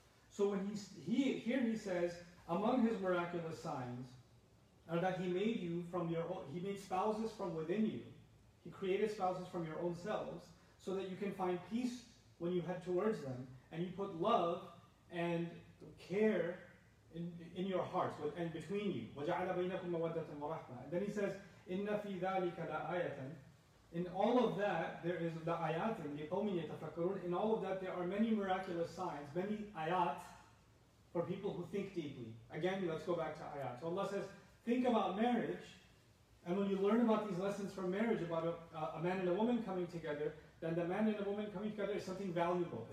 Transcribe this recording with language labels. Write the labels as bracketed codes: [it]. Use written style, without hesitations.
[en] So when he says, among his miraculous signs are that he made spouses from within you. He created spouses from your own selves so that you can find peace when you head towards them, and you put love and care in your hearts and between you. [ar] وَجَعَلَ بَيْنَكُمْ مَوَدَّةً وَرَحْمَةً. [en] Then he says, [ar] إِنَّ فِي ذَلِكَ لَآيَةً. [en] In all of that, there is the ayat, [ar] لِقَوْمٍ يَتَفَكَّرُونَ. [en] In all of that, there are many miraculous signs, many ayat for people who think deeply. Again, let's go back to ayat. So Allah says, think about marriage, and when you learn about these lessons from marriage, about a man and a woman coming together, then the man and the woman coming together is something valuable.